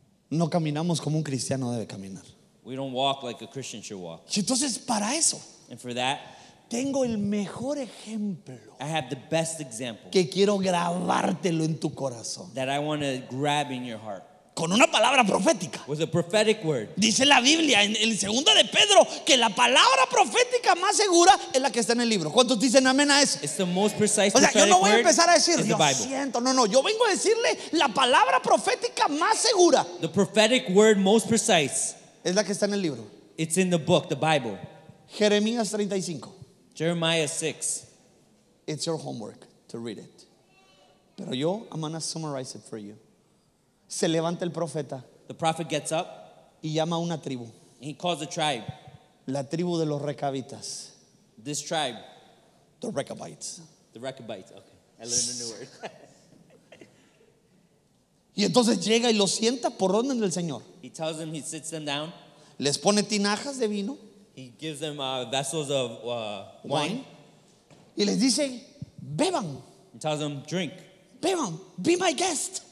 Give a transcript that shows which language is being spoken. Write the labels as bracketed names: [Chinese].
[Spanish] No caminamos como un cristiano debe caminar. [English] We don't walk like a Christian should walk. [Spanish] Entonces, para eso, [English] and for that, [Spanish] tengo el mejor ejemplo. [English] I have the best example. [Spanish] Que quiero grabártelo en tu corazón. [English] That I want to grab in your heart. [Spanish] Con una palabra profética. [English] With a prophetic word. [Spanish] Dice la Biblia en el segundo de Pedro que la palabra profética más segura es la que está en el libro. ¿Cuántos dicen amén a eso? [English] It's the most precise. [Spanish] O sea, yo no voy a empezar a decir, lo siento. No, no, yo vengo a decirle la palabra profética más segura. [English] The prophetic word most precise. [Spanish] Es la que está en el libro. [English] It's in the book, the Bible. [Spanish] Jeremías 35. [English] Jeremiah 6. It's your homework to read it. [Spanish] Pero yo, [English] I'm going to summarize it for you. [Spanish] Se levanta el profeta. [English] The prophet gets up. [Spanish] Y llama a una tribu. [English] He calls a tribe. [Spanish] La tribu de los Recabitas. [English] This tribe. The Recabites. The Recabites, okay. I learned a new word. [Spanish] Y entonces llega y lo sienta por orden del Señor. [English] He tells them, he sits them down. [Spanish] Les pone tinajas de vino. [English] He gives them vessels of wine. [Spanish] Y les dice, beban. [English] He tells them, drink. [Spanish] Beban, [English] be my guest.